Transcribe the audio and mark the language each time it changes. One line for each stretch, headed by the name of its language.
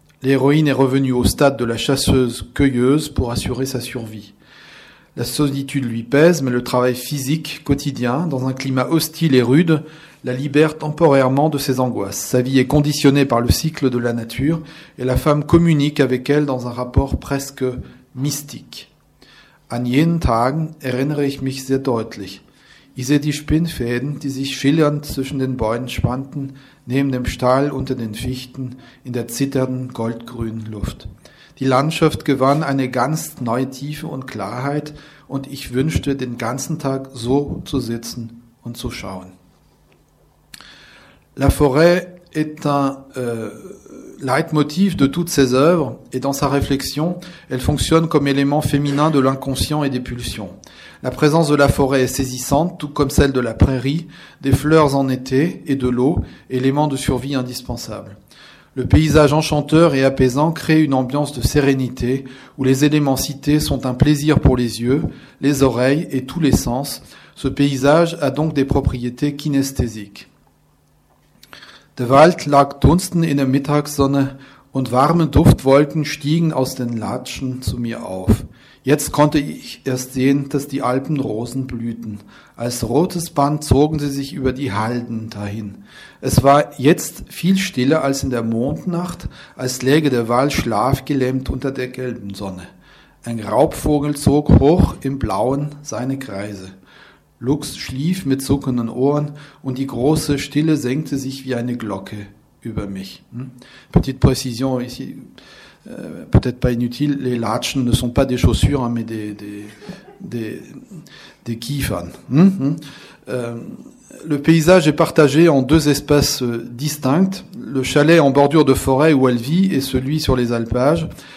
French: L'héroïne est revenue au stade de la chasseuse-cueilleuse pour assurer sa survie. La solitude lui pèse, mais le travail physique, quotidien, dans un climat hostile et rude, la libère temporairement de ses angoisses. Sa vie est conditionnée par le cycle de la nature, et la femme communique avec elle dans un rapport presque mystique.
German: An jenen Tagen erinnere ich mich sehr deutlich. Ich sehe die Spinnfäden, die sich schillernd zwischen den Bäumen spannten, neben dem Stahl unter den Fichten, in der zitternden goldgrünen Luft. Die Landschaft gewann eine ganz neue Tiefe und Klarheit, und ich wünschte, den ganzen Tag so zu sitzen und zu schauen.
French: La forêt est un leitmotiv de toutes ses œuvres, et dans sa réflexion, elle fonctionne comme élément féminin de l'inconscient et des pulsions. La présence de la forêt est saisissante, tout comme celle de la prairie, des fleurs en été et de l'eau, élément de survie indispensable. Le paysage enchanteur et apaisant crée une ambiance de sérénité où les éléments cités sont un plaisir pour les yeux, les oreilles et tous les sens. Ce paysage a donc des propriétés kinesthésiques.
German: Der Wald lag dunstend in der Mittagssonne und warme Duftwolken stiegen aus den Latschen zu mir auf. Jetzt konnte ich erst sehen, dass die Alpenrosen blühten. Als rotes Band zogen sie sich über die Halden dahin. Es war jetzt viel stiller als in der Mondnacht, als läge der Wald schlafgelähmt unter der gelben Sonne. Ein Raubvogel zog hoch im Blauen seine Kreise. Lux schlief mit zuckenden Ohren und die große Stille senkte sich wie eine Glocke über mich.
French: Petite précision ici. Peut-être pas inutile, les latschen ne sont pas des chaussures, hein, mais des kiefern. Le paysage est partagé en deux espaces distincts, le chalet en bordure de forêt où elle vit et celui sur les alpages.